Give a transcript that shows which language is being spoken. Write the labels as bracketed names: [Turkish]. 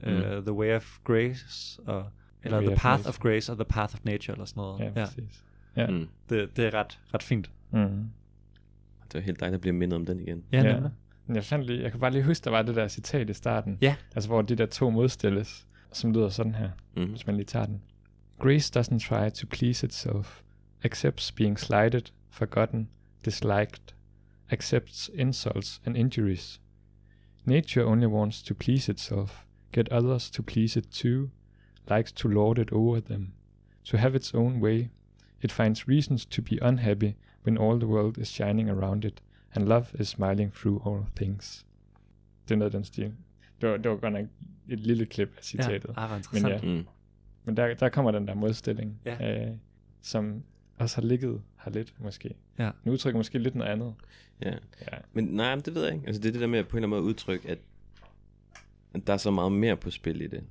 [English] Mm. The way of grace [Danish] og eller [English] the path of grace, [Danish] og [English] the path of nature, [Danish] eller sådan noget. Ja, præcis. Ja. Mm. Det er ret fint. Mm-hmm. Det var helt dejligt at blive mindet om den igen. Ja, nemlig. Ja. Jeg kan bare lige huske, der var det der citat i starten. Ja. Altså, hvor de der to modstilles, som lyder sådan her, hvis man lige tager den. [English] Grace doesn't try to please itself, accepts being slighted, forgotten, disliked, accepts insults and injuries. Nature only wants to please itself, get others to please it too, likes to lord it over them, to have its own way. It finds reasons to be unhappy when all the world is shining around it, and love is smiling through all things. [Danish] Det er noget den stil. Det var godt nok et lille klip af citatet. Ja, det var interessant. Men, ja. Men der kommer den der modstilling, ja. Som også har ligget her lidt, måske. Ja. Nu udtrykker måske lidt noget andet. Ja. Ja. Men nej, det ved jeg ikke. Altså, det er det der med at på en eller anden måde udtrykke, at der er så meget mere på spil i det.